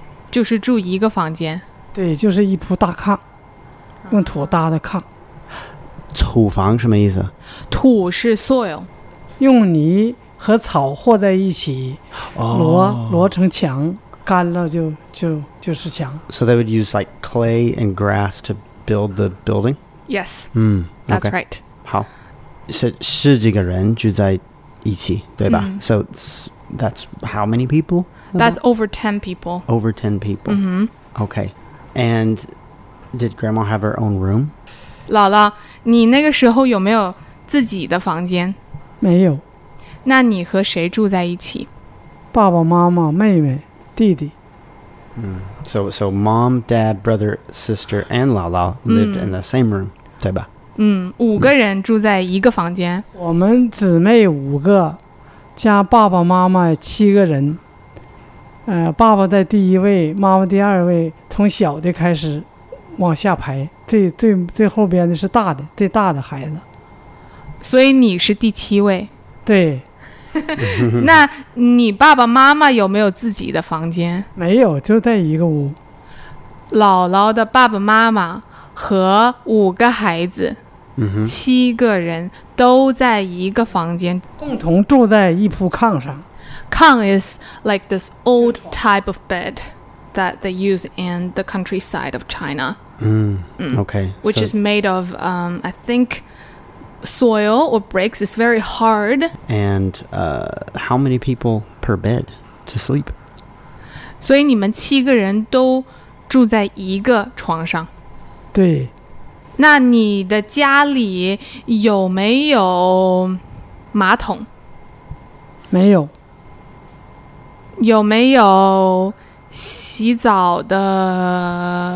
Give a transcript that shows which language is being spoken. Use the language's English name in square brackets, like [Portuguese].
[Chinese] 就是住一个房间？对，就是一铺大炕，用土搭的炕。土房什么意思？土是 soil，用泥和草和在一起，摞成墙，干了就是墙。 [English] So they would use like clay and grass to build the building. Yes. Okay. That's right. [Chinese] 好，十几个人住在一起，对吧？ [English] So that's how many people? That's over 10 people. Over 10 people. Mm-hmm. Okay. And did grandma have her own room? [Chinese] 姥姥，你那个时候有没有自己的房间？没有。那你和谁住在一起？爸爸妈妈、妹妹、弟弟。 [English] So mom, dad, brother, sister, and 姥姥 lived in the same room, [Chinese] 对吧？五个人住在一个房间。我们姊妹五个，加爸爸妈妈七个人。爸爸在第一位，妈妈第二位，从小的开始往下排，最后边的是大的，最大的孩子。所以你是第七位。对。那你爸爸妈妈有没有自己的房间？没有，就在一个屋。姥姥的爸爸妈妈和五个孩子，七个人都在一个房间，共同住在一铺炕上。 [English] Kang is like this old type of bed that they use in the countryside of China. Okay. Which is made of, I think, soil or bricks. It's very hard. And how many people per bed to sleep? [Chinese] 所以你们七个人都住在一个床上。对。那你的家里有没有马桶？没有。有没有洗澡的？